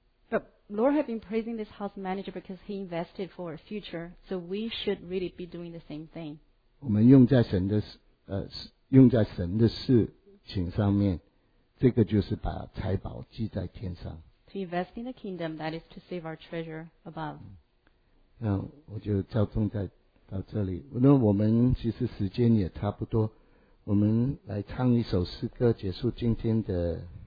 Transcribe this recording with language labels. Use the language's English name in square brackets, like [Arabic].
[English] But Lord had been praising this house manager because he invested for a future, so we should really be doing the same thing. [Chinese] 我们用在神的事情上面，这个就是把财宝记在天上。 [English] To invest in the kingdom, that is to save our treasure above. [Chinese] 那我就教宗在到这里，那我们其实时间也差不多，我们来唱一首诗歌结束今天的